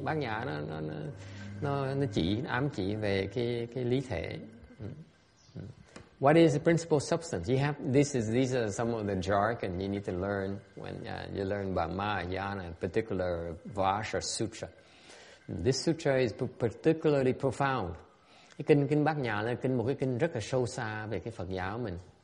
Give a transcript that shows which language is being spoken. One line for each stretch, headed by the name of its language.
Vietnamese: Bát nhã nó ám chỉ về cái lý thể.
English: What is the principal substance? These are some of the jargon you need to learn when you learn about Mahayana, in particular Vajra Sutra. This sutra is particularly profound.
Vietnamese: Kinh Bát Nhã là một kinh rất là sâu xa về cái Phật giáo mình.